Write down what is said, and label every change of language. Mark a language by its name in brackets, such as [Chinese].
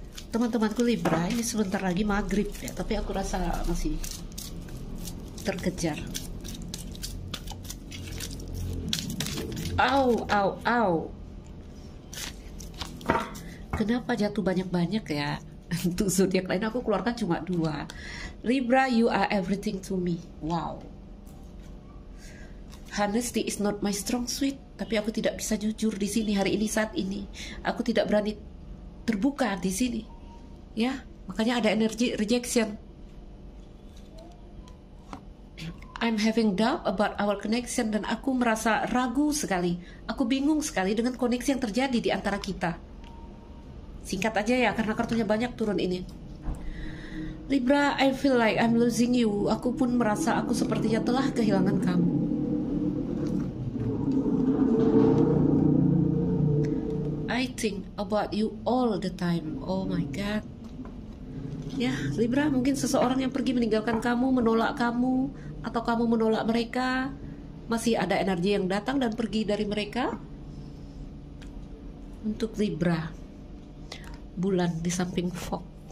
[Indonesian] Teman-temanku Libra, ini sebentar lagi maghrib ya, tapi aku rasa masih terkejar. Au, au, au. Kenapa jatuh banyak-banyak ya? Untuk zodiak lain aku keluarkan cuma dua. [English] Libra, you are everything to me. Wow. Honesty is not my strong suit. [Indonesian] Tapi aku tidak bisa jujur di sini hari ini, saat ini. Aku tidak berani terbuka di sini. Ya, makanya ada energi rejection. [English] I'm having doubt about our connection. [Indonesian] Dan aku merasa ragu sekali. Aku bingung sekali dengan koneksi yang terjadi di antara kita. Singkat aja ya, karena kartunya banyak turun ini. [English] Libra, I feel like I'm losing you. [Indonesian] Aku pun merasa aku sepertinya telah kehilangan kamu. [English] I think about you all the time. Oh my God. [Indonesian] Ya, Libra, mungkin seseorang yang pergi meninggalkan kamu, menolak kamu, atau kamu menolak mereka. Masih ada energi yang datang dan pergi dari mereka. Untuk Libra, bulan di samping fog.